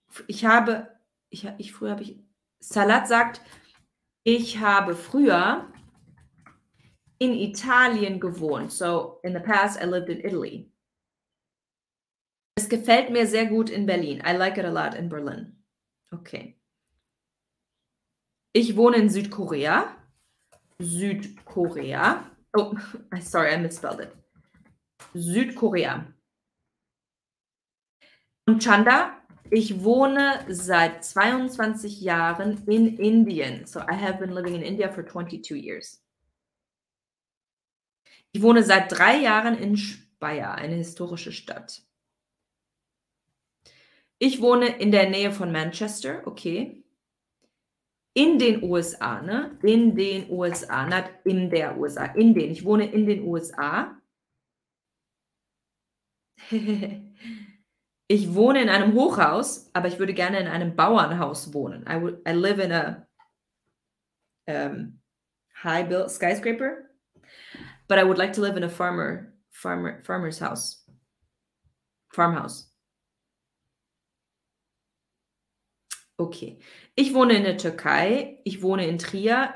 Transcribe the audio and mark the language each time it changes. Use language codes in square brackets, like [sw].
[de] Salat sagt, ich habe früher in Italien gewohnt. [en] So, in the past, I lived in Italy. [de] Es gefällt mir sehr gut in Berlin. [en] I like it a lot in Berlin. Okay. [de] Ich wohne in Südkorea. Südkorea. [en] Oh, sorry, I misspelled it. Südkorea. [de] Und Chanda, ich wohne seit 22 Jahren in Indien. So I have been living in India for 22 years. Ich wohne seit 3 Jahren in Speyer, eine historische Stadt. Ich wohne in der Nähe von Manchester, okay. In den USA, ne? In den USA, nicht in der USA, in den. Ich wohne in den USA. Ich wohne in einem Hochhaus, aber ich würde gerne in einem Bauernhaus wohnen. [en] I live in a high built skyscraper, but I would like to live in a farmer's house. Farmhouse. [de] Okay. Ich wohne in der Türkei. Ich wohne in Trier.